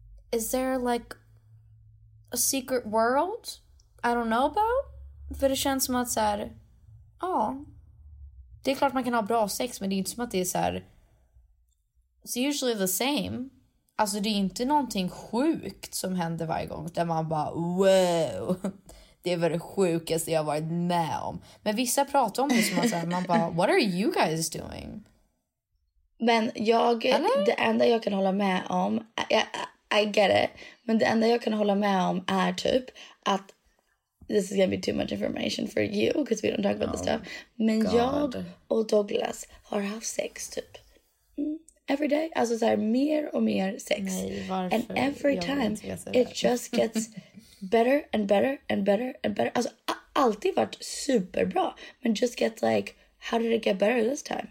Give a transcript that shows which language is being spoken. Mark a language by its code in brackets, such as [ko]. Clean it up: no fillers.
[en] Is there like a secret world I don't know about? [sv] För det känns som att så här, ja, det är klart man kan ha bra sex, men det är inte som att det är så här, [en] it's usually the same. [sv] Alltså det är inte någonting sjukt som händer varje gång där man bara, wow, det är väl det sjukaste jag varit med om. Men vissa pratar om det som att så här, man bara, [en] what are you guys doing? [sv] Men jag, eller? Det enda jag kan hålla med om, [en] I get it, [sv] men det enda jag kan hålla med om är typ att [en] this is gonna be too much information for you because we don't talk about this stuff. [sv] Men God. Jag och Douglas har haft sex typ [en] every day. [sv] Alltså så här, mer och mer sex. Nej, varför? [en] And every time it just gets better and better and better and better. [sv] Alltså alltid varit superbra, men [en] just gets like, how did it get better this time?